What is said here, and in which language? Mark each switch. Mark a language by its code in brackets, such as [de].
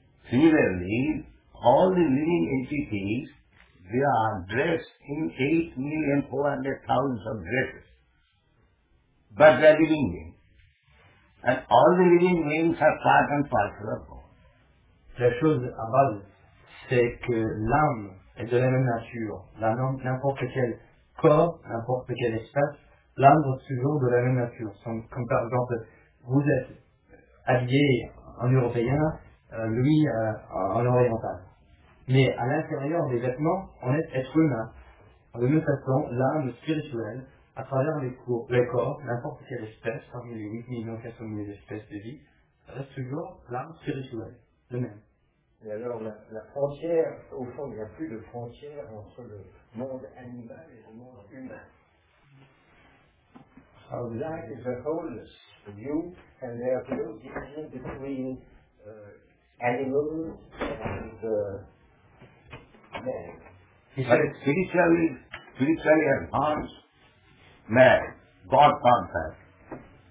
[en] Similarly, all the living entities, they are dressed in 8,400,000 of dresses. But they are living beings. And all the living beings are part and parcel of God. [fr] La chose à base, c'est que l'âme est de la même nature. L'âme, n'importe quel corps, n'importe quel espace, l'âme est toujours de la même nature. Comme par exemple, vous êtes habillé en européen, lui en oriental. mais à l'intérieur des vêtements, on est être humain. De toute façon, l'âme spirituelle, à travers les cours, les corps, n'importe quelle espèce, parmi les 8 millions qui sont les espèces de vie, reste toujours l'âme spirituelle, le même. Et alors, la frontière, au fond, il n'y a plus de frontière entre le monde animal et le monde humain. [en] So that is a wholeness for you, and there is no division between animals and men. But it's spiritually enhanced man, God contact.